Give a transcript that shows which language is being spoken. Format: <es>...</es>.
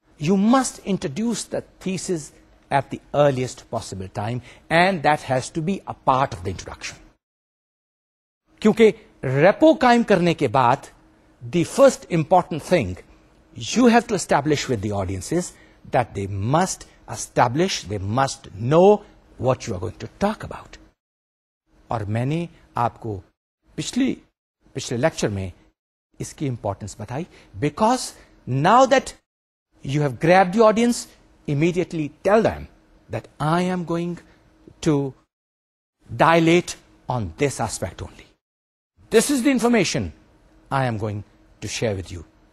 <en>You must introduce the thesis at the earliest possible time, and that has to be a part of the introduction.</en> <ur>کیونکہ rapport قائم کرنے کے بعد</ur> <en>the first important thing you have to establish with the audiences that they must establish, they must know what you are going to talk about.</en> <ur>اور میں نے آپ کو پچھلے لیکچر میں اس کی امپورٹینس بتائی.</ur> <en>Because now that you have grabbed the audience, immediately tell them that I am going to dilate on this aspect only. This is the information I am going to share with you.</en>